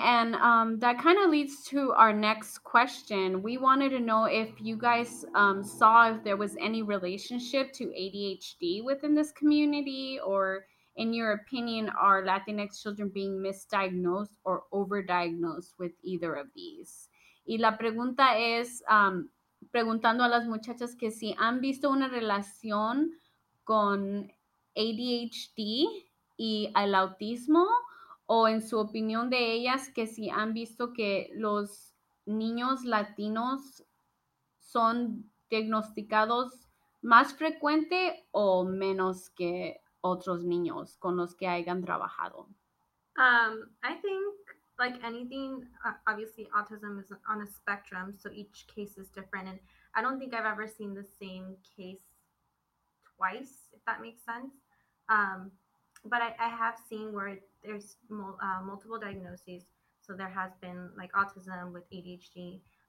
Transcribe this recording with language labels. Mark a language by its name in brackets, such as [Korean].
[English] And that kind of leads to our next question. We wanted to know if you guys saw if there was any relationship to ADHD within this community, or in your opinion, are Latinx children being misdiagnosed or overdiagnosed with either of these? [Spanish] Y la pregunta es, preguntando a las muchachas que si han visto una relación con ADHD y el autismo, o en su opinión de ellas, que si han visto que los niños latinos son diagnosticados más frecuente o menos que otros niños con los que hayan trabajado. [English] I think, like anything, obviously autism is on a spectrum, so each case is different, and I don't think I've ever seen the same case twice, if that makes sense. But I have seen where there's multiple diagnoses, so there has been like autism with ADHD.